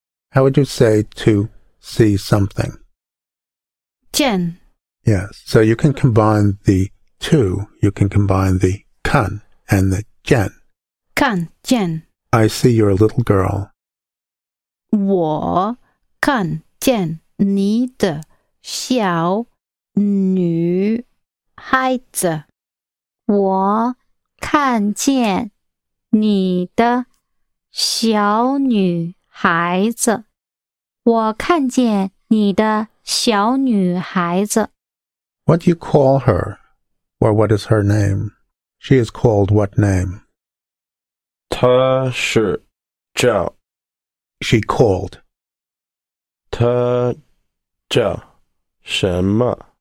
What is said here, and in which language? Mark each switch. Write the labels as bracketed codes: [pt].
[en] How would you say to see something? [zh] 见 [en] Yes, so you can combine the two You can combine the 看 and the 见 [zh] 看见 [en] I see your little girl [zh] 我看见你的小女孩子我看见你的小女孩子我看见你的小女孩子 [en] What do you call her? Or what is her name? She is called what name? [zh] Ta shi jiao. [en] She called. [zh] Ta jiao shenme.